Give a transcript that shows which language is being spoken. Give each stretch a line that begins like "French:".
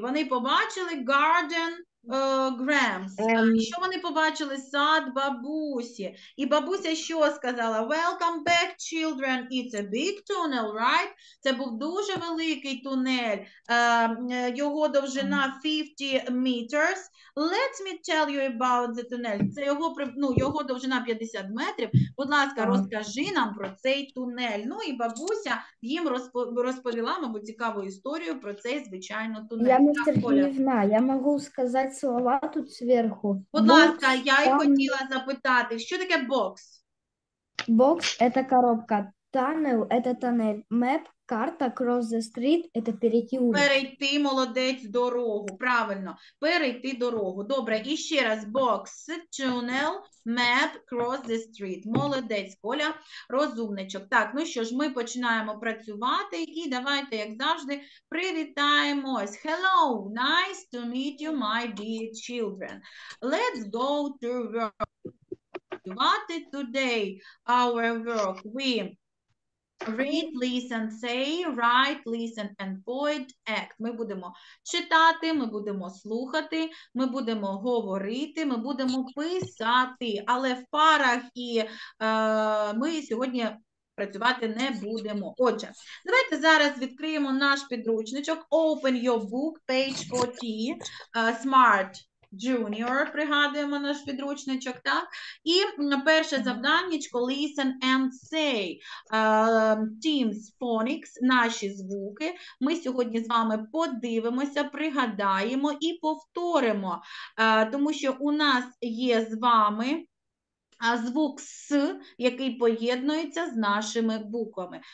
Ukrainian: Вони побачили garden Грамс. Що вони побачили? Сад бабусі. І бабуся що сказала?
English: Welcome back, children. It's a big tunnel, right?
Ukrainian: Це був дуже великий тунель. Його довжина 50 meters.
English: Let me tell you about the tunnel.
Ukrainian: Це його, ну, його довжина 50 метрів. Будь ласка, розкажи нам про цей тунель. Ну і бабуся їм розповіла, мабуть, цікаву історію про цей, звичайно, тунель. Я не Так, Коля? Сергіївна, я можу сказати слова тут зверху. Будь ласка, я й хотіла запитати, що таке бокс? Бокс – це коробка. Тунел – це тунель. Меп Карта
English: cross the street
Ukrainian: – це перейти вулицю. Перейти, молодець, дорогу. Правильно, перейти дорогу. Добре, і ще раз.
English: Box, tunnel, map, cross the street.
Ukrainian: Молодець, Коля, розумничок. Так, ну що ж, ми починаємо працювати. І давайте, як завжди, привітаємось.
English: Hello, nice to meet you, my dear children. Let's go to work. Today, our work, we read, listen, say, write, listen, and point, act.
Ukrainian: Ми будемо читати, ми будемо слухати, ми будемо говорити, ми будемо писати, але в парах і ми сьогодні працювати не будемо. Отже, давайте зараз відкриємо наш підручничок.
English: Open your book, page 40, Smart Junior,
Ukrainian: пригадуємо наш підручничок, так? І перше завданнячко
English: listen and say.
Ukrainian: Teams Phonics, наші звуки. Ми сьогодні з вами подивимося, пригадаємо і повторимо. Тому що у нас є з вами звук С, який поєднується з нашими буквами.